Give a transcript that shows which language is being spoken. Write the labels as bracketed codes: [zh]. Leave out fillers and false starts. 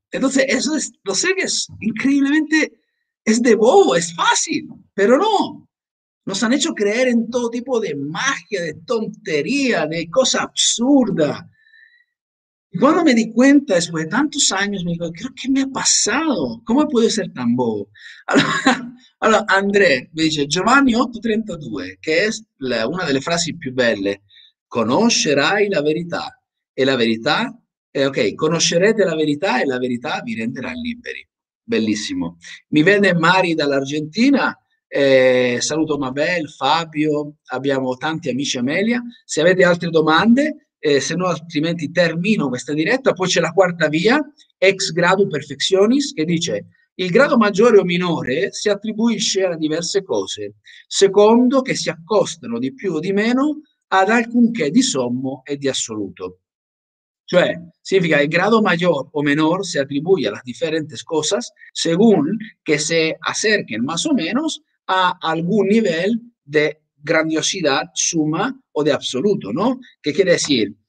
[es] Entonces, eso es, lo sé que es increíblemente, es de bobo, es fácil, pero no. Nos han hecho creer en todo tipo de magia, de tontería, de cosa absurda. Y cuando me di cuenta, después de tantos años, me digo, creo que me ha pasado. ¿Cómo puedo ser tan bobo? [it] André mi dice, Giovanni 8:32, che è una delle frasi più belle, conoscerai la verità e la verità, ok, conoscerete la verità e la verità vi renderà liberi. Bellissimo. Mi vede Mari dall'Argentina, saluto Mabel, Fabio, abbiamo tanti amici Amelia. Se avete altre domande, se no altrimenti termino questa diretta. Poi c'è la quarta via, ex gradu perfectionis, che dice... Il grado maggiore o minore si attribuisce a diverse cose, secondo che si accostano di più o di meno ad alcunché di sommo e di assoluto. Cioè, significa che il grado maggiore o minore si attribuisce [es] a las diferentes cosas según que se acerquen más o menos a algún nivel de grandiosidad suma o de absoluto, ¿no? ¿Qué quiere decir?